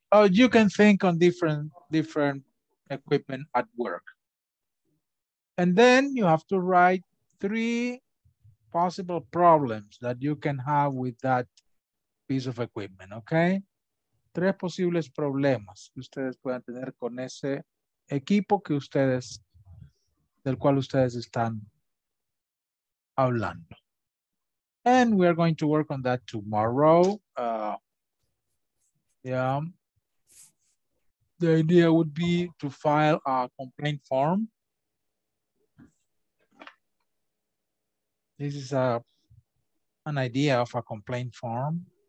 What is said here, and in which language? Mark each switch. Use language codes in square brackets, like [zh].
[en] You can think on different equipment at work. And then you have to write three possible problems that you can have with that piece of equipment, okay? [es] Tres posibles problemas que ustedes puedan tener con ese equipo que ustedes, del cual ustedes están hablando. [en] And we are going to work on that tomorrow. The idea would be to file a complaint form. This is an idea of a complaint form.